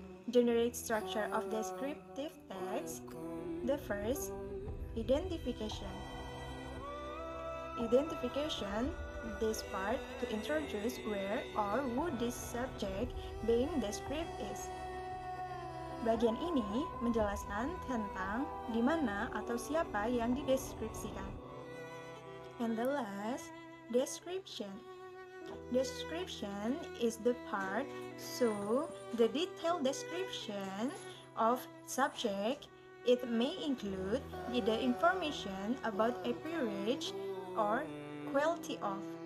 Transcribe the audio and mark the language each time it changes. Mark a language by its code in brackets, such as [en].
[en] Generic structure of descriptive text. The first, identification. Identification, this part to introduce where or who this subject being described is. [id] Bagian ini menjelaskan tentang di mana atau siapa yang dideskripsikan. [en] And the last, description. Description is the part, so the detailed description of subject, it may include the information about appearance or quality of.